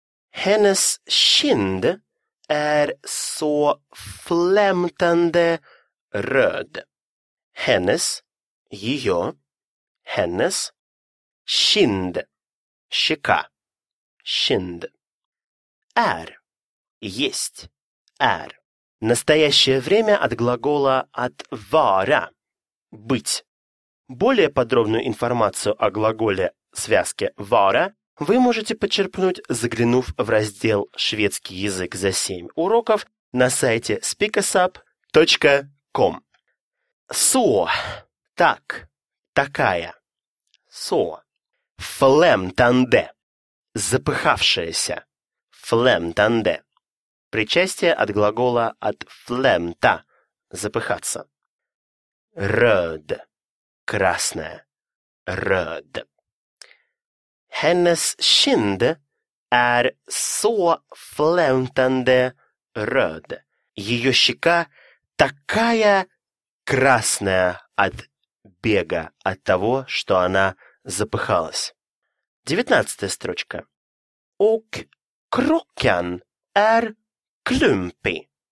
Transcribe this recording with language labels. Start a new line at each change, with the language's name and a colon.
Swedish: Hennes kind är så flämtande röd. Hennes
Russian: ее,
Swedish: hennes, kind,
Russian: щека,
Swedish: kind, är,
Russian: есть,
Swedish: är.
Russian: Настоящее время от глагола от vara, быть. Более подробную информацию о глаголе связке vara вы можете почерпнуть, заглянув в раздел «Шведский язык за 7 уроков» на сайте speakusup.com.
Swedish: So.
Russian: Так, такая, со, флемтанде, запыхавшаяся, флемтанде, причастие от глагола от флемта, запыхаться, рёд, красная, рёд. Hennes kind är så flämtande röd. Ее щека такая красная от бега, от того, что она запыхалась. 19-я строчка.
Swedish: Och kroken är klumpig.